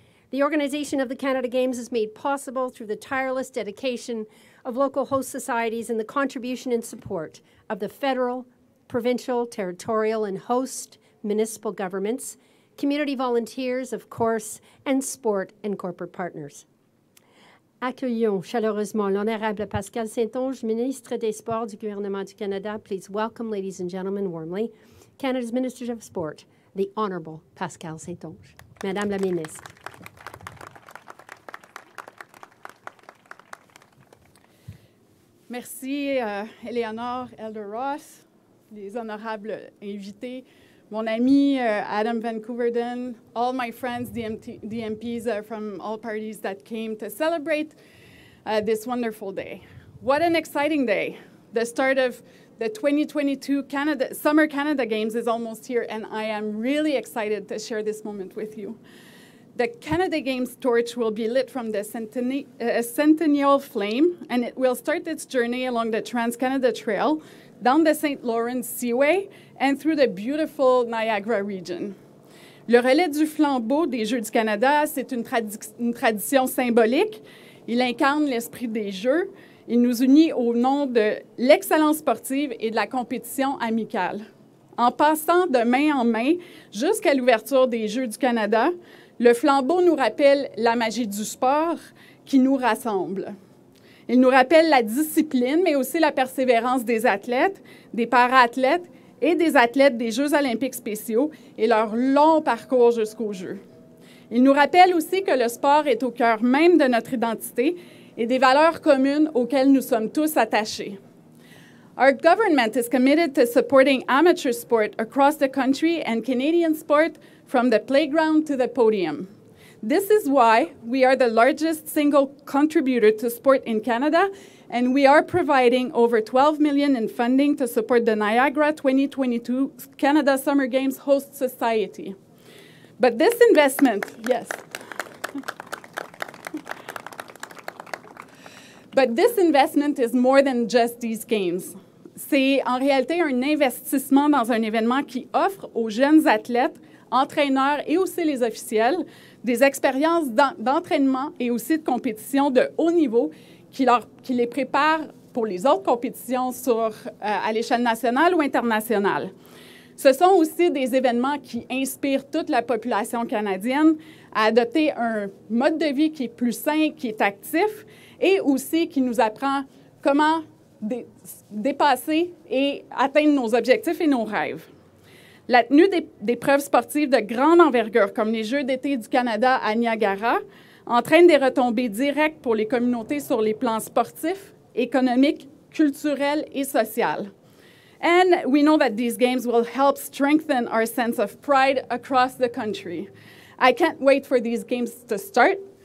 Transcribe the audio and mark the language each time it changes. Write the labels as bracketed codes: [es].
[en] The organization of the Canada Games is made possible through the tireless dedication of local host societies and the contribution and support of the federal, provincial, territorial, and host municipal governments, community volunteers, of course, and sport and corporate partners. [fr] Accueillons chaleureusement l'honorable Pascal Saint-Onge, ministre des Sports du gouvernement du Canada. [en] Please welcome, ladies and gentlemen, warmly, Canada's Minister of Sport, the Honorable Pascal Saint-Onge. [fr] Madame la ministre. [en] Merci, Eleanor, Elder Ross, [fr] les honorables invités, mon ami [en] Adam Van Couverden, all my friends, DMPs from all parties that came to celebrate this wonderful day. What an exciting day. The start of the 2022 Canada Summer Canada Games is almost here, and I am really excited to share this moment with you. The Canada Games torch will be lit from the centennial flame, and it will start its journey along the Trans-Canada Trail, down the St. Lawrence Seaway, and through the beautiful Niagara region. [fr] Le relais du flambeau des Jeux du Canada, c'est une tradition symbolique. Il incarne l'esprit des Jeux. Il nous unit au nom de l'excellence sportive et de la compétition amicale. En passant de main en main jusqu'à l'ouverture des Jeux du Canada, le flambeau nous rappelle la magie du sport qui nous rassemble. Il nous rappelle la discipline, mais aussi la persévérance des athlètes, des para-athlètes et des athlètes des Jeux olympiques spéciaux et leur long parcours jusqu'aux Jeux. Il nous rappelle aussi que le sport est au cœur même de notre identité et des valeurs communes auxquelles nous sommes tous attachés. [en] Our government is committed to supporting amateur sport across the country and Canadian sport from the playground to the podium. This is why we are the largest single contributor to sport in Canada, and we are providing over $12 million in funding to support the Niagara 2022 Canada Summer Games Host Society. But this investment, yes. But this investment is more than just these games. [fr] C'est en réalité un investissement dans un événement qui offre aux jeunes athlètes, entraîneurs et aussi les officiels des expériences d'entraînement et aussi de compétition de haut niveau qui les préparent pour les autres compétitions à l'échelle nationale ou internationale. Ce sont aussi des événements qui inspirent toute la population canadienne à adopter un mode de vie qui est plus sain, qui est actif et aussi qui nous apprend comment dépasser et atteindre nos objectifs et nos rêves. La tenue des preuves sportives de grande envergure, comme les Jeux d'été du Canada à Niagara, entraîne des retombées directes pour les communautés sur les plans sportifs, économiques, culturels et sociaux. [en] And we know that these games will help strengthen our sense of pride across the country. I can't wait for these games to start.